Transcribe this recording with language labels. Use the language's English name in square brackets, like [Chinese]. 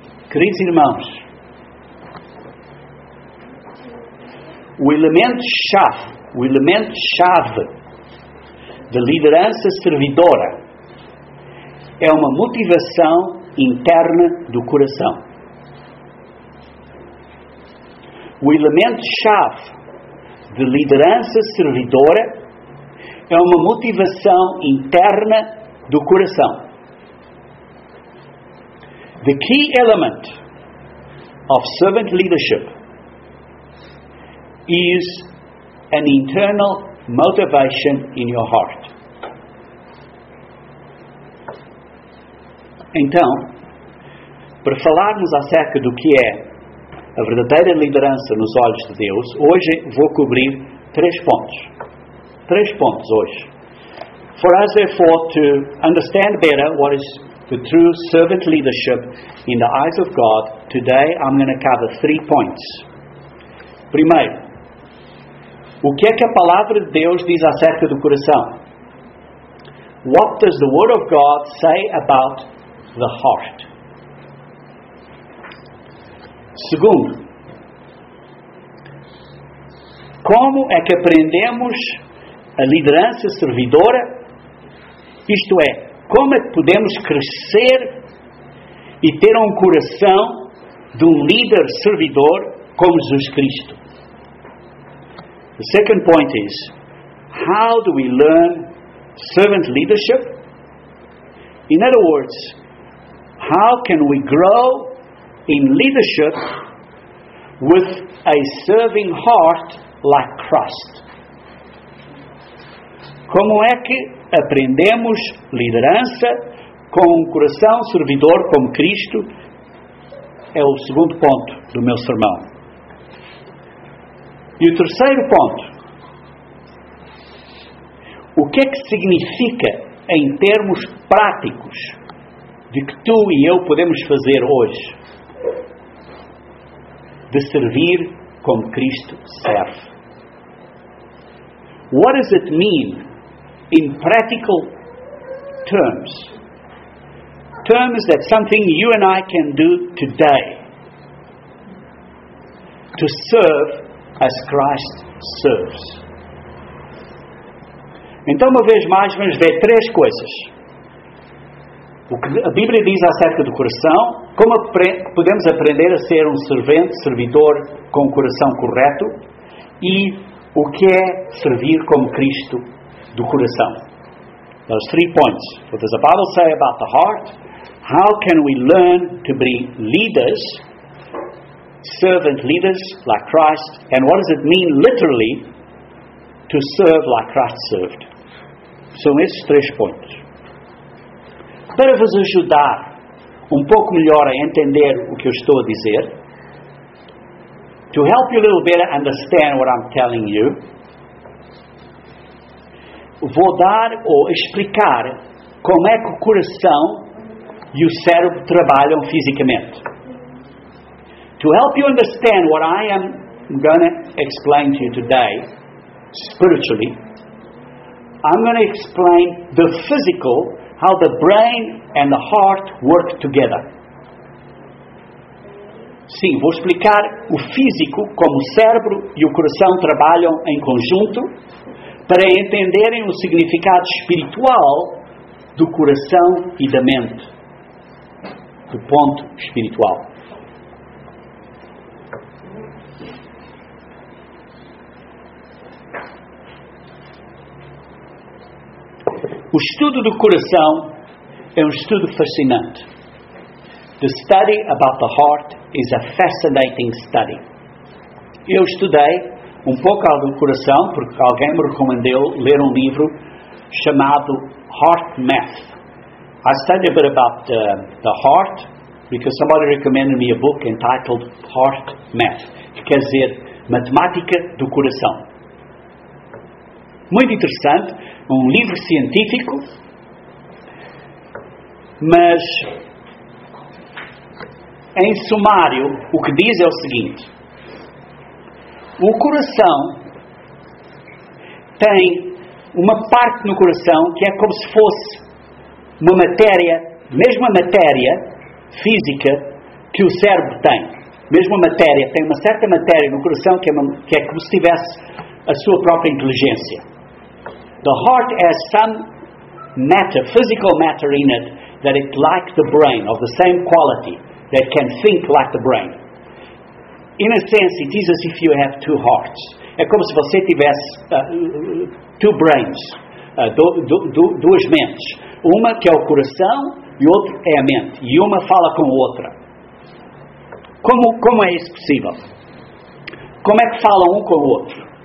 [Portuguese] Queridos irmãos, o elemento-chave de liderança servidora é uma motivação interna do coração. O elemento-chave de liderança servidora é uma motivação interna do coração. [English] The key element of servant leadership is an internal motivation in your heart. [Portuguese] Então, para falarmos acerca do que é a verdadeira liderança nos olhos de Deus, hoje vou cobrir três pontos. Três pontos hoje. [English] For us, therefore, to understand better what is the true servant leadership in the eyes of God, today I'm going to cover three points. [Portuguese] Primeiro, o que é que a palavra de Deus diz acerca do coração? [English] What does the Word of God say about the heart? [Portuguese] Segundo, como é que aprendemos a liderança servidora? Isto é, como é que podemos crescer e ter um coração de um líder servidor como Jesus Cristo? [English] The second point is, how do we learn servant leadership? In other words, how can we grow in leadership with a serving heart like Christ? [Portuguese] Como é que aprendemos liderança com um coração servidor como Cristo é o segundo ponto do meu sermão. E o terceiro ponto, o que é que significa em termos práticos de que tu e eu podemos fazer hoje? De servir como Cristo serve. [English] What does it mean in practical terms? Terms that something you and I can do today to serve as Christ serves. [Portuguese] Então, uma vez mais, vamos ver três coisas. O que a Bíblia diz acerca do coração, como podemos aprender a ser um servente, servidor com o coração correto, e o que é servir como Cristo do coração. [English] Those three points. What does the Bible say about the heart? How can we learn to be leaders, servant leaders like Christ? And what does it mean literally to serve like Christ served? [Portuguese] São esses três pontos. Para vos ajudar um pouco melhor a entender o que eu estou a dizer, [English] to help you a little better understand what I'm telling you, [Portuguese] vou dar ou explicar como é que o coração e o cérebro trabalham fisicamente. [English] To help you understand what I am going to explain to you today, spiritually, I'm going to explain the physical, how the brain and the heart work together. [Portuguese] Sim, vou explicar o físico, como o cérebro e o coração trabalham em conjunto, para entenderem o significado espiritual do coração e da mente, do ponto espiritual. O estudo do coração é um estudo fascinante. [English] The study about the heart is a fascinating study. [Portuguese] Eu estudei um pouco do coração, porque alguém me recomendou ler um livro chamado Heart Math. [English] I studied a bit about the heart, because somebody recommended me a book entitled Heart Math, [Portuguese] que quer dizer Matemática do Coração. Muito interessante, um livro científico, mas em sumário, o que diz é o seguinte: o coração tem uma parte no coração que é como se fosse uma matéria, mesmo a matéria física que o cérebro tem, mesmo a matéria, tem uma certa matéria no coração que é como se tivesse a sua própria inteligência. [English] The heart has some matter, physical matter in it, that it like the brain, of the same quality, that can think like the brain. In a sense, it is as if you have two hearts. [Portuguese] É como se você tivesse [English] two brains, [Portuguese] duas mentes. Uma que é o coração e outra é a mente. E uma fala com a outra. Como é isso possível? Como é que falam um com o outro?